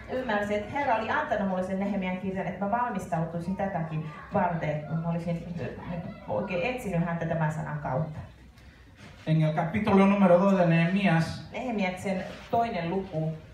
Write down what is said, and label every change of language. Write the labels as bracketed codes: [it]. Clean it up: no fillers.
[fi] Ymmärsin, että Herra oli antanut mulle sen Nehemian kirjan, että mä valmistautuisin tätäkin varten. Mä olisin oikein etsinyt häntä tämän sanan kautta. [es] En el capítulo número 2 de Nehemías. [fi] Nehemiaksen toinen luku.